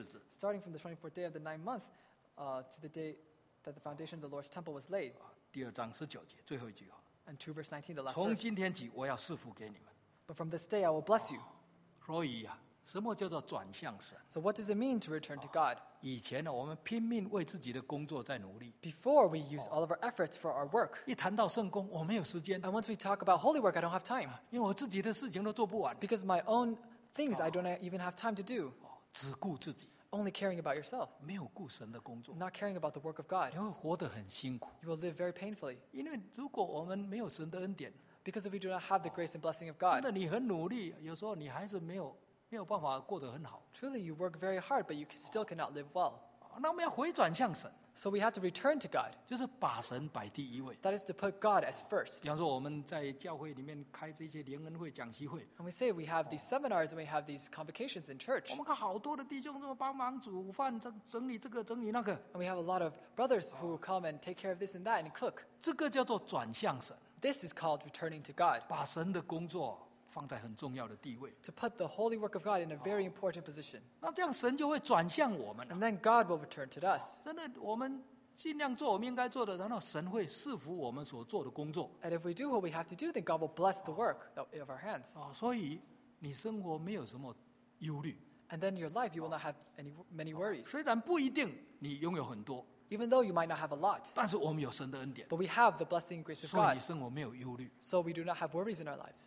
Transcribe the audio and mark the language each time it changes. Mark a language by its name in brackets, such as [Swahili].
[English] Starting from the 24th day of the ninth month to the day that the foundation of the Lord's temple was laid. [Chinese] 第二章19节, 最后一句话, [English] and 2 verse 19, the last [Chinese] 从今天起, [English] verse. [Chinese] 我要赐福给你们, [English] but from this day I will bless you. [Chinese] 所以啊, 什么叫做转向神? [English] So what does it mean to return to God? [Chinese] 以前呢, [English] before, we use all of our efforts for our work. [Chinese] 一谈到圣工, [English] and once we talk about holy work, I don't have time. [Chinese] 因为我自己的事情都做不完, [English] because my own things, I don't even have time to do. [Chinese] 只顾自己, [English] only caring about yourself. [Chinese] 没有顾神的工作, [English] not caring about the work of God. [Chinese] 因为活得很辛苦, [English] you will live very painfully. [Chinese] 因为如果我们没有神的恩典, [English] because if we do not have the grace and blessing of God, [Chinese] 真的你很努力, 有时候你还是没有, 没有办法过得很好, [English] truly, you work very hard, but you still cannot live well. [Chinese] 那我们要回转向神, [English] so we have to return to God. [Chinese] 就是把神摆第一位, [English] that is to put God as first. [Chinese] 比方说我们在教会里面开这些联恩会讲习会, [English] and we say we have these seminars and we have these convocations in church. [Chinese] 我们看好多的弟兄这么帮忙煮饭,整理这个,整理那个, [English] and we have a lot of brothers who come and take care of this and that and cook. [Chinese] 这个叫做转向神, [English] this is called returning to God. [Chinese] 把神的工作, 放在很重要的地位, [English] to put the holy work of God in a very important position. [Chinese] 那这样神就会转向我们, [English] and then God will return to us. [Chinese] 真的我们尽量做我们应该做的, 然后神会赐福我们所做的工作, [English] and if we do what we have to do, then God will bless the work of our hands. [Chinese] 所以你生活没有什么忧虑, [English] and then in your life you will not have many worries. [Chinese] 虽然不一定你拥有很多, [English] even though you might not have a lot, [Chinese] 但是我们有神的恩典, [English] but we have the blessing and grace of God. [Chinese] 所以你生活没有忧虑, so we do not have worries in our lives.